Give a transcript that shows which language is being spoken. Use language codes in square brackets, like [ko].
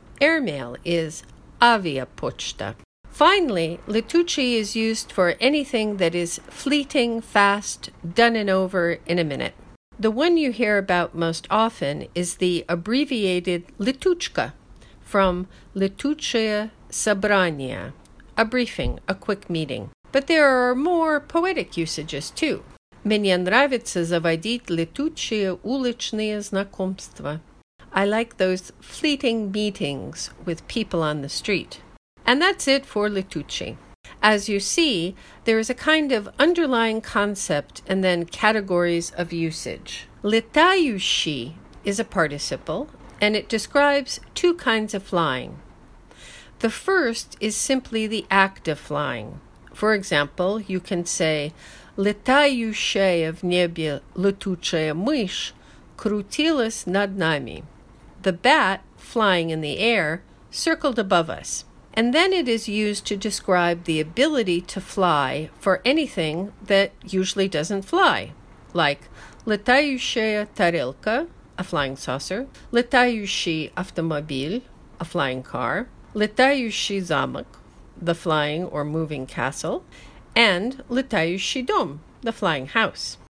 [en] Airmail is авиапочта. Finally, Летучий is used for anything that is fleeting, fast, done and over in a minute. The one you hear about most often is the abbreviated Летучка from [ru] Летучее собрание, [en] a briefing, a quick meeting. But there are more poetic usages too. [ru] Мне нравится заводить летучие уличные знакомства. [en] I like those fleeting meetings with people on the street. And that's it for Летучий. As you see, there is a kind of underlying concept and then categories of usage. Летающий is a participle, and it describes two kinds of flying. The first is simply the act of flying. For example, you can say, [ru] Летающая в небе летучая мышь крутилась над нами. [en] The bat, flying in the air, circled above us. And then it is used to describe the ability to fly for anything that usually doesn't fly, like [ru] летающая тарелка, [en] a flying saucer, [ru] летающий автомобиль, [en] a flying car, [ru] летающий замок, [en] the flying or moving castle, and [ru] летающий дом, [en] the flying house.